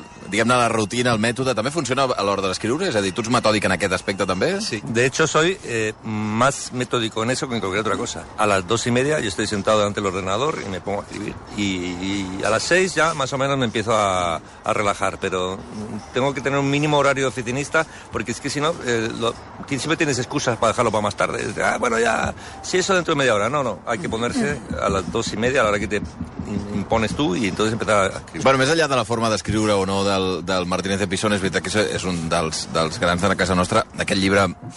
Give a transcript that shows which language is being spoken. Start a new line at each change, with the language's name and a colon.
Catalan: diguem-ne, la rutina, el mètode, també funciona a l'hora d'escriure? És a dir, tu ets metòdic en aquest aspecte, també? Sí.
Spanish: De hecho, soy más metódico en eso que en cualquier otra cosa. A las 2:30 yo estoy sentado delante del ordenador y me pongo a escribir. Y a las 6 ya más o menos me empiezo a relajar, pero tengo que tener un mínimo horario oficinista, porque es que si no, siempre tienes excusas para dejarlo para más tarde. Ah, bueno, ya, si eso dentro de media hora. No, hay que ponerse a las 2:30, a la hora que te impones tú, y entonces empezar a escribir.
Catalan: Bueno, més allà de la forma d'escriure o no del Martínez de Pisón, és veritat que és un dels grans de la casa nostra, d'aquest llibre.